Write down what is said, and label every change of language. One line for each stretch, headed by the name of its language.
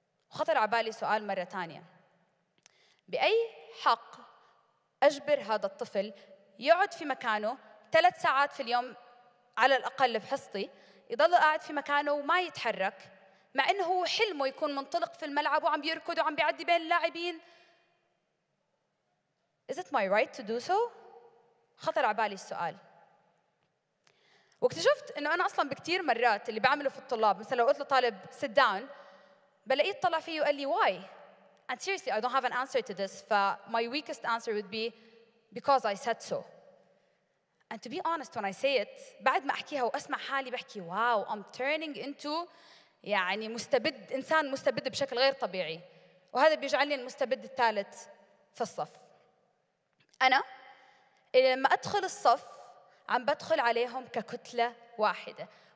Arabic: وخطر على بالي سؤال مرة تانية. بأي حق أجبر هذا الطفل يقعد في مكانه 3 ساعات في اليوم على الأقل بحصتي، يضل قاعد في مكانه وما يتحرك، مع أنه حلمه يكون منطلق في الملعب وعم بيركض وعم بيعدي بين اللاعبين؟
English: Is it my right to do so؟
Arabic: خطر على بالي السؤال. واكتشفت أنه أنا أصلاً بكتير مرات اللي بعمله في الطلاب، مثلاً لو قلت لطالب
English: sit down
Arabic: بلاقيه يطلع فيه وقال لي why؟
English: And seriously, I don't have an answer to this. My weakest answer would be because I said so. And to be honest, when I say it,
Arabic: بعد ما أحكيها وأسمع حالي بحكي,
English: wow, I'm turning into
Arabic: يعني مستبد، إنسان مستبد بشكل غير طبيعي. وهذا بيجعلني المستبد الثالث في الصف. أنا لما أدخل الصف عم بدخل عليهم ككتلة واحدة.